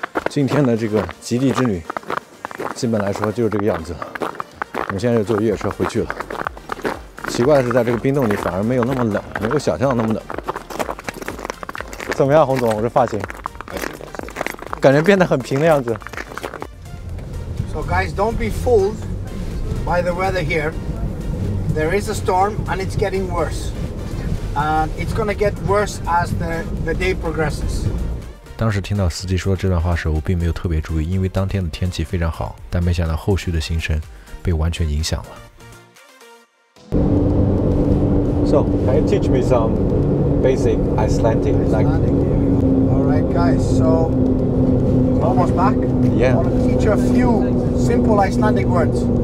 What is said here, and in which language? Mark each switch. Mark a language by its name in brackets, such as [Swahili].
[Chinese] 今天的这个极地之旅基本来说就是这个样子了，我们现在就坐越野车回去了。奇怪的是在这个冰洞里反而没有那么冷，没有想象那么冷。怎么样洪总，我这发型感觉变得很平的样子。 [English] So guys, don't be fooled by the weather here. There is a storm and it's getting worse. And it's gonna get worse as the day progresses. [Chinese] 当时听到司机说这段话时，我并没有特别注意，因为当天的天气非常好，但没想到后续的行程被完全影响了。 [English] So, can you teach me some basic Icelandic? Alright guys, so I'm almost back. Yeah. I want to teach you a few simple Icelandic words.